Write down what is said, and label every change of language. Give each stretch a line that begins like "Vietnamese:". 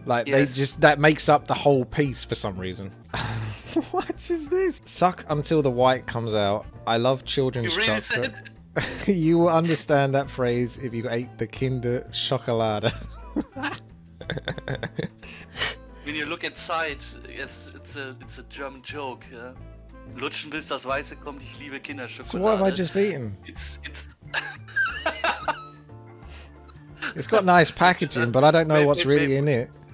English: Like they just, that makes up the whole piece for some reason. What is this? Suck until the white comes out. I love children's chocolate. You will understand that phrase if you ate the Kinder Schokolade. When you look inside, it's a German joke.
German: Lutschen bis das Weiße kommt, ich liebe Kinder Schokolade.
English: So what have I just eaten? It's it's got nice packaging, but I don't know what's really in it.